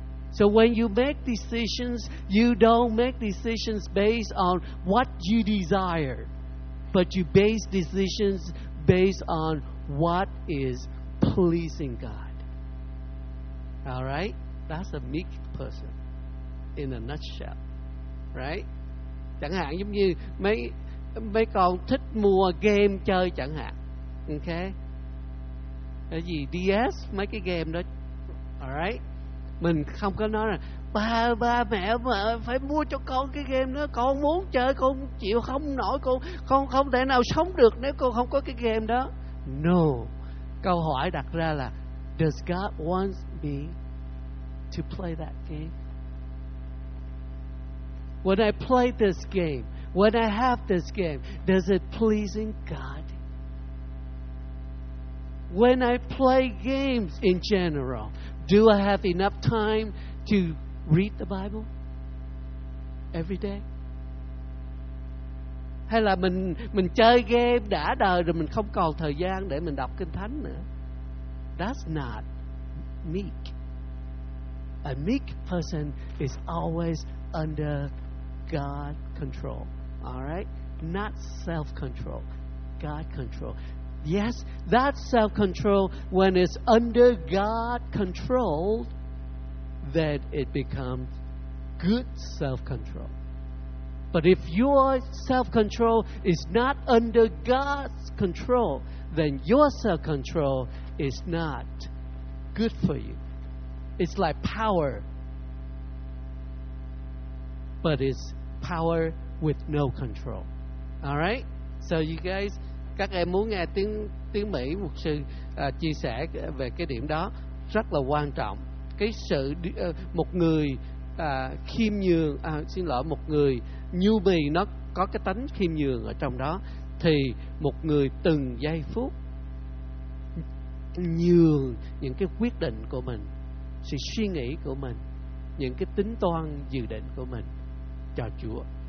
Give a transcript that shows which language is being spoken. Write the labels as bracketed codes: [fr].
[en] So when you make decisions, you don't make decisions based on what you desire, but you base decisions based on what is pleasing God. All right? That's a meek person in a nutshell, right? [vi] Chẳng hạn giống như mấy con thích mua game chơi chẳng hạn, ok? Cái gì DS, mấy cái game đó, alright? Mình không có nói là ba mẹ mà phải mua cho con cái game đó, con muốn chơi, con chịu không nổi, con không thể nào sống được nếu con không có cái game đó. [en] No, [vi] câu hỏi đặt ra là [en] does God want me to play that game? When I play this game, when I have this game, does it pleasing God? When I play games in general, do I have enough time to read the Bible every day? [vi] Hay là mình chơi game đã đời rồi mình không còn thời gian để mình đọc Kinh Thánh nữa? [en] That's not meek. A meek person is always under God control, all right? Not self-control, God control. Yes, that self-control, when it's under God control, then it becomes good self-control. But if your self-control is not under God's control, then your self-control is not good for you. It's like power, but it's power with no control. All right? So you guys, [vi] các em muốn nghe tiếng Mỹ mục sư chia sẻ về cái điểm đó rất là quan trọng. Cái sự một người khiêm nhường, xin lỗi, một người nhu bì, nó có cái tánh khiêm nhường ở trong đó, thì một người từng giây phút nhường những cái quyết định của mình, sự suy nghĩ của mình, những cái tính toán dự định của mình cho Chúa.